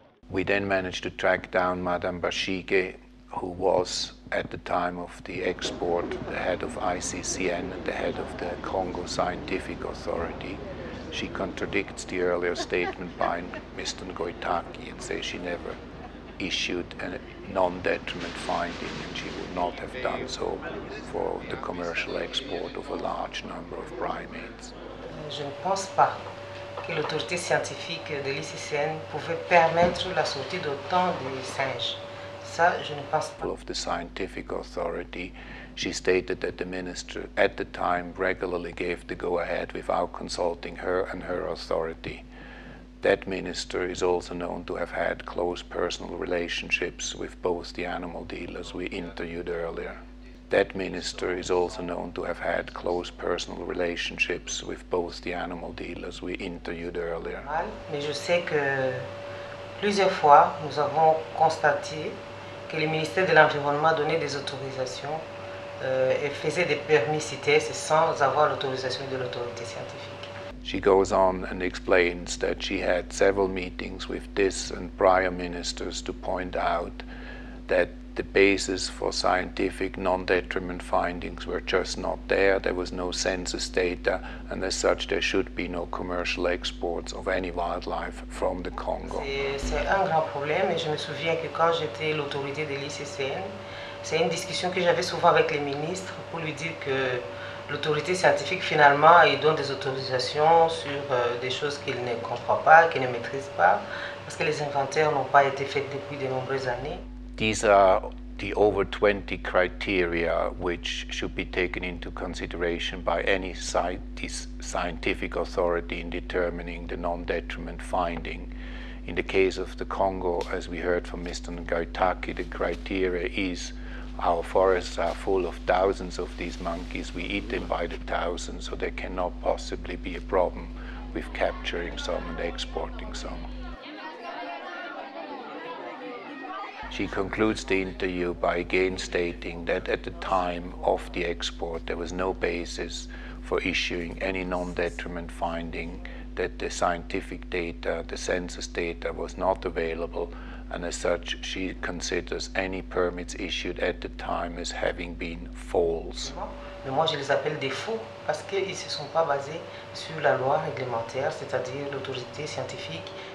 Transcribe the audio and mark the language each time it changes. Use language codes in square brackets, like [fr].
[en] We then managed to track down Madame Bushmeat, who was, at the time of the export, the head of ICCN and the head of the Congo Scientific Authority. She contradicts the earlier statement by Mr. Ngoy Taki and says she never issued a non-detriment finding and she would not have done so for the commercial export of a large number of primates. [fr] Je ne pense pas que l'autorité scientifique de l'ICCN pouvait permettre la sortie d'autant de singes. Ça, je ne pense pas. [en] Of the scientific authority, she stated that the minister at the time regularly gave the go-ahead without consulting her and her authority. That minister is also known to have had close personal relationships with both the animal dealers we interviewed earlier. That minister is also known to have had close personal relationships with both the animal dealers we interviewed earlier. [fr] Mais je sais que plusieurs fois nous avons constaté que le ministère de l'Environnement donnait des autorisations et faisait des permis CTS sans avoir l'autorisation de l'autorité scientifique. [en] She goes on and explains that she had several meetings with this and prior ministers to point out that the basis for scientific non-detriment findings were just not there. There was no census data, and as such, there should be no commercial exports of any wildlife from the Congo. [fr] C'est un grand problème, et je me souviens que quand j'étais l'autorité de l'ICCN, c'est une discussion que j'avais souvent avec les ministres pour lui dire que l'autorité scientifique, finalement, il donne des autorisations sur des choses qu'il ne comprend pas, qu'il ne maîtrise pas, parce que les inventaires n'ont pas été faits depuis de nombreuses années. [en] These are the over 20 criteria which should be taken into consideration by any scientific authority in determining the non-detriment finding. In the case of the Congo, as we heard from Mr. Ngaitaki, the criteria is our forests are full of thousands of these monkeys. We eat them by the thousands, so there cannot possibly be a problem with capturing some and exporting some. She concludes the interview by again stating that at the time of the export there was no basis for issuing any non-detriment finding, that the scientific data, the census data, was not available, and as such she considers any permits issued at the time as having been false. [fr] Mais moi je les appelle des faux parce qu'ils se sont pas basés sur la loi réglementaire, c'est-à-dire l'autorité scientifique.